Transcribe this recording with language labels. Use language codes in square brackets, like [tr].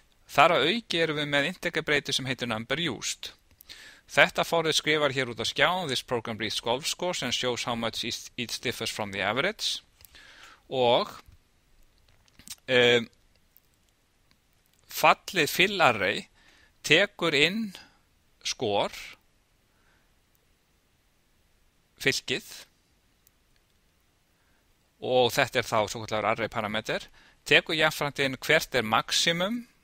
[is] Þar að auki erum við með integrabreyti sem heitir number used. Þetta forrit skrifar hér út á skjá, [en] this program reads golf scores and shows how much it differs from the average. [is] Og fallið fill array tekur inn score fylkið og þetta er þá svo kallar array parameter tekur jafnframt inn hvert er maximum